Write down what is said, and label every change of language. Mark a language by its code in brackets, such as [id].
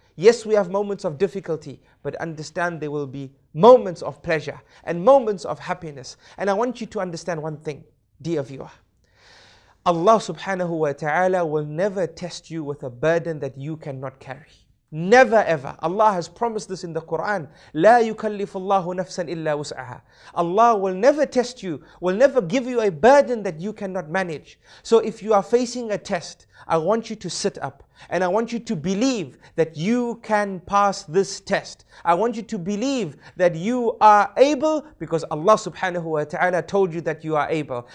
[en] Yes, we have moments of difficulty, but understand there will be moments of pleasure and moments of happiness. And I want you to understand one thing, dear viewer. Allah subhanahu wa ta'ala will never test you with a burden that you cannot carry. Never ever. Allah has promised this in the Quran. [ar] لا يكلف الله نفسا إلا وسعها. [en] Allah will never test you, will never give you a burden that you cannot manage. So if you are facing a test, I want you to sit up and I want you to believe that you can pass this test. I want you to believe that you are able because Allah subhanahu wa ta'ala told you that you are able.